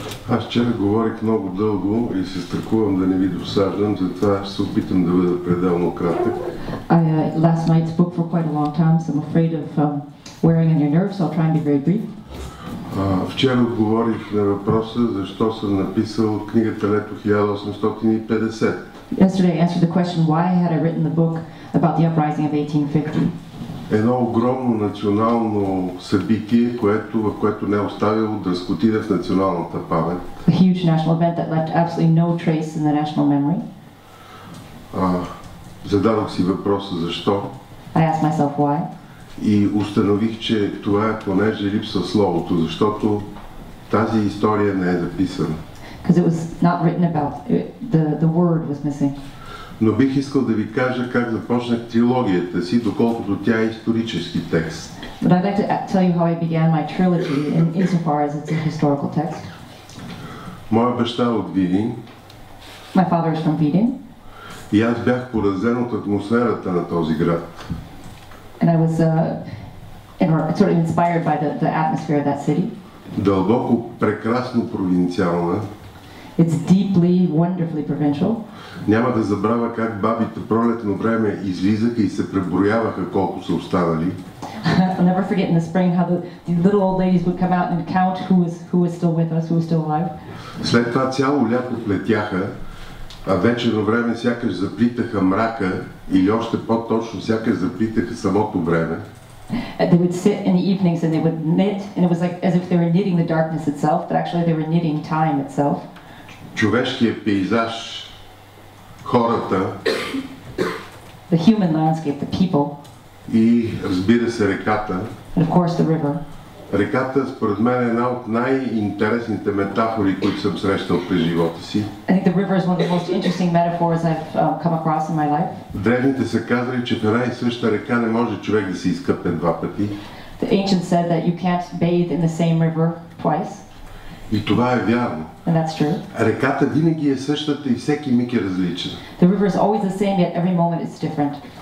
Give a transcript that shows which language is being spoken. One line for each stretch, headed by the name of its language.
Bulgarian: Аз вчера говорих много дълго и се страхувам да не ви досаждам, затова се опитам да бъда пределно кратък.
English: Last night spoke for quite a long time, so I'm afraid of wearing on your nerves, so I'll try and be very brief.
Bulgarian: Вчера отговорих на въпроса защо съм написал книгата Лето 1850.
English: Yesterday I answered the question why had I written the book about the uprising of 1850.
Bulgarian: Едно огромно национално събитие, което не е оставило да скотира в националната памет.
English: A huge national event that left absolutely no trace in the national memory.
Bulgarian: Зададох си въпроса защо.
English: I asked myself why.
Bulgarian: И установих, че това е понеже липсва словото, защото тази история не е записана.
English: Because it was not written about, the word was missing.
Bulgarian: Но бих искал да ви кажа как започнах трилогията си, доколкото тя е исторически текст.
English: But I'd like to tell you how I began my trilogy insofar as it's a historical text.
Bulgarian: Моя баща е от Видин.
English: My father is from Видин.
Bulgarian: И аз бях поразен от атмосферата на този град.
English: And I was sort of inspired by the atmosphere of that city.
Bulgarian: Дълбоко, прекрасно провинциална.
English: It's deeply, wonderfully provincial.
Bulgarian: Няма да забравя как бабите пролетно време излизаха и се преброяваха колко са останали.
English: I'll never forget in the spring how the little old ladies would come out and count who was still with us, who was still alive.
Bulgarian: След това цяло лято плетяха, а вечерно време сякаш заплитаха мрака или още по-точно сякаш заплитаха самото време.
English: They would sit in the evenings and they would knit, and it was like as if they were knitting the darkness itself, but actually they were knitting time itself.
Bulgarian: Човешкият пейзаж, хората,
English: the human landscape, the people,
Bulgarian: и разбира се реката.
English: And of course the river.
Bulgarian: Реката, според мен, е една от най-интересните метафори, които съм срещал през живота си.
English: I think the river is one of the most interesting metaphors I've come across in my life.
Bulgarian: Древните са казали, че в една и съща река не може човек да се изкъпе два пъти.
English: The ancients said that you can't bathe in the same river twice.
Bulgarian: И това е вярно.
English: And that's true.
Bulgarian: Реката винаги е същата и всеки миг е различна.
English: The river is always the same, yet every moment is different.